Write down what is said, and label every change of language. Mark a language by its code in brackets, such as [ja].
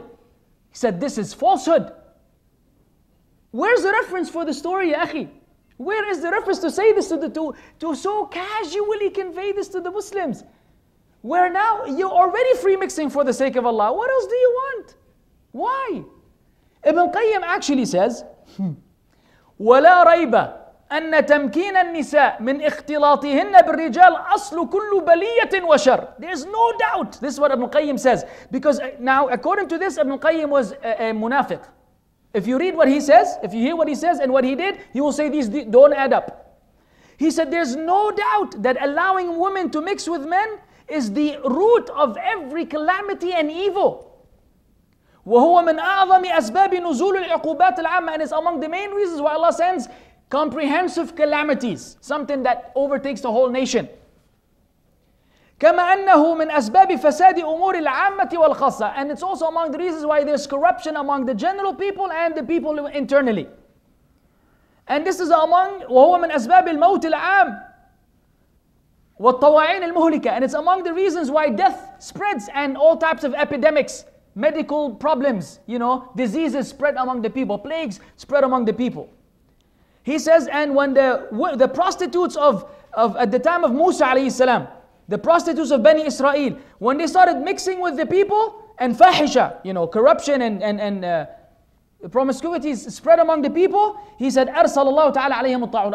[en] He said, this is falsehood. Where's the reference for the story, ya akhi? Where is the reference to say this to so casually convey this to the Muslims? Where now you're already free-mixing for the sake of Allah. What else do you want? Why? Ibn Qayyim actually says, [ar] وَلَا رَيْبَ أَنَّ تَمْكِينَ النِّسَاءِ مِنْ إِخْتِلَاطِهِنَّ بِالرِّجَالِ أَصْلُ كُلُّ بَلِيَّةٍ وَشَرٍ. [en] There's no doubt. This is what Ibn Qayyim says. Because now, according to this, Ibn Qayyim was a munafiq. If you read what he says, if you hear what he says and what he did, he will say these don't add up. He said, there's no doubt that allowing women to mix with men is the root of every calamity and evil. [ar] وَهُوَ مِنْ أَعْظَمِ أَسْبَابِ نُزُولِ الْعُقُوبَاتِ الْعَامَّةِ. [en] And it's among the main reasons why Allah sends comprehensive calamities, something that overtakes the whole nation. [ar] كَمَا أَنَّهُ مِنْ أَسْبَابِ فَسَادِ أُمُورِ الْعَامَّةِ وَالْخَصَّةِ. [en] And it's also among the reasons why there's corruption among the general people and the people internally. And this is among [ar] وَهُوَ مِنْ أَسْبَابِ الْمَوْتِ الْعَامِ وَالطَّوَاعِينِ الْمُهْلِكَةِ. [en] And it's among the reasons why death spreads and all types of epidemics, medical problems, you know, diseases spread among the people, plagues spread among the people. He says, and when the prostitutes of at the time of Musa alayhi salam, the prostitutes of Bani Israel, when they started mixing with the people, and fahisha, you know, corruption and promiscuity spread among the people, he said, [ar] أَرْسَلَ اللَّهُ تَعَالَى عَلَيْهِمُ الطَّاعُونَ.